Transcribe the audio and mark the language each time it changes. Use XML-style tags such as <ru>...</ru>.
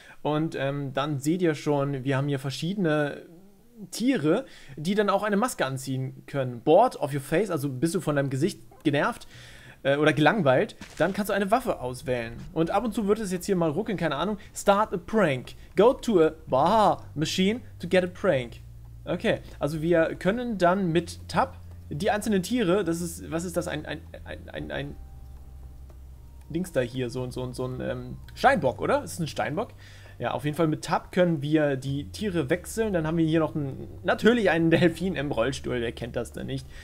<de>Und dann seht ihr schon, wir haben hier verschiedene Tiere, die dann auch eine Maske anziehen können.</de> <en>Bored of your face,</en> <de>also bist du von deinem Gesicht genervt oder gelangweilt, dann kannst du eine Waffe auswählen. Und ab und zu wird es jetzt hier mal ruckeln, keine Ahnung.</de> <en>Start a prank. Go to a bar machine to get a prank.</en> <de>Okay, also wir können dann mit Tab die einzelnen Tiere, das ist, was ist das, ein Dings da hier, so ein Steinbock, oder? Ist das ein Steinbock? Ja, auf jeden Fall mit Tab können wir die Tiere wechseln. Dann haben wir hier noch natürlich einen Delfin im Rollstuhl. Wer kennt das denn nicht?</de>